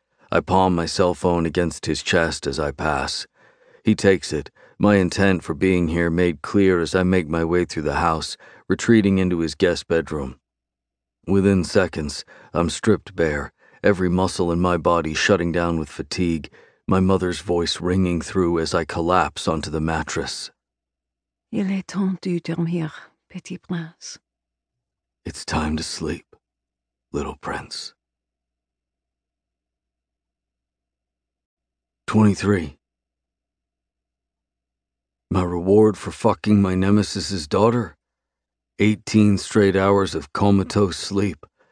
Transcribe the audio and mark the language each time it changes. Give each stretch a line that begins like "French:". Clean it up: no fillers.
English: I palm my cell phone against his chest as I pass. He takes it, my intent for being here made clear as I make my way through the house, retreating into his guest bedroom. Within seconds, I'm stripped bare, every muscle in my body shutting down with fatigue, my mother's voice ringing through as I collapse onto the mattress.
French: Il est temps de dormir, petit prince.
English: It's time to sleep, little prince. 23. My reward for fucking my nemesis's daughter? 18 straight hours of comatose sleep.